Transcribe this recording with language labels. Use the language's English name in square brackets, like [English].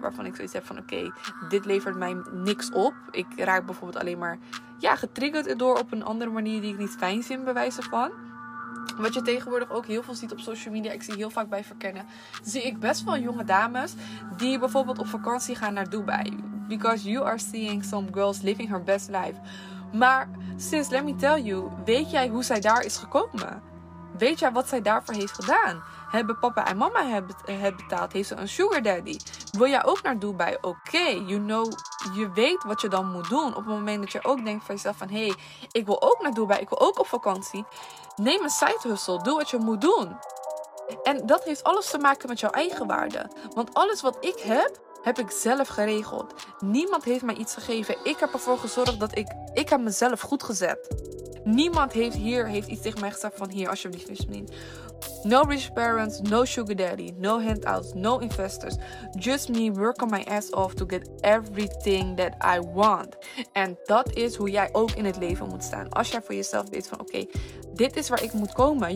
[Dutch] Waarvan ik zoiets heb van, oké, dit levert mij niks op. Ik raak bijvoorbeeld alleen maar getriggerd door op een andere manier die ik niet fijn vind, bij wijze van. Wat je tegenwoordig ook heel veel ziet op social media. Ik zie heel vaak bij verkennen. Zie ik best wel jonge dames die bijvoorbeeld op vakantie gaan naar Dubai. [English] Because you are seeing some girls living her best life. Maar sis, let me tell you. [Dutch] Weet jij hoe zij daar is gekomen? Weet jij wat zij daarvoor heeft gedaan? Hebben papa en mama het betaald? Heeft ze een sugar daddy? Wil jij ook naar Dubai? Oké, you know, je weet wat je dan moet doen. Op het moment dat je ook denkt van jezelf van, hey, ik wil ook naar Dubai. Ik wil ook op vakantie. Neem een side hustle. Doe wat je moet doen. En dat heeft alles te maken met jouw eigen waarde. Want alles wat ik heb, heb ik zelf geregeld. Niemand heeft mij iets gegeven. Ik heb ervoor gezorgd dat ik heb mezelf goed gezet. Niemand heeft iets tegen mij gezegd van, hier, alsjeblieft, misschien. [English] No rich parents, no sugar daddy, no handouts, no investors. Just me working my ass off to get everything that I want. [Dutch] En dat is hoe jij ook in het leven moet staan. Als jij voor jezelf weet van, oké, dit is waar ik moet komen.